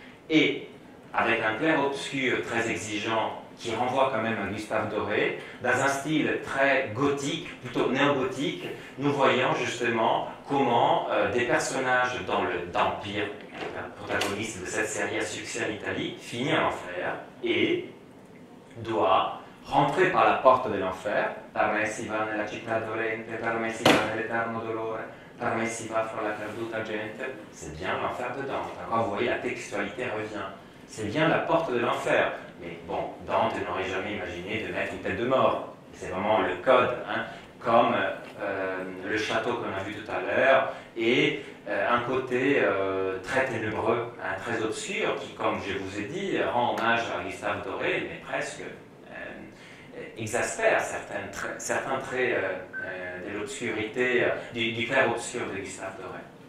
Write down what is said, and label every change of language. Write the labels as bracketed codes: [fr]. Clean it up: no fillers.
[fr] Et avec un clair-obscur très exigeant, qui renvoie quand même à Gustave Doré, dans un style très gothique, plutôt néo-gothique, nous voyons justement comment des personnages dans l'Empire, le protagoniste de cette série à succès en Italie, finit à l'enfer et doit rentrer par la porte de l'enfer. [it] Par me si va nella città dolente, par me si va nell'eterno dolore, par me si va fra la perduta gente. [fr] C'est bien l'enfer de Dante. Alors, vous voyez, la textualité revient. C'est bien la porte de l'enfer. Mais bon, Dante n'aurait jamais imaginé de mettre une tête de mort. C'est vraiment le code, hein, comme le château qu'on a vu tout à l'heure et un côté très ténébreux, hein, très obscur, qui, comme je vous ai dit, rend hommage à Gustave Doré, mais presque exaspère certains traits de l'obscurité, du clair-obscur de Gustave Doré.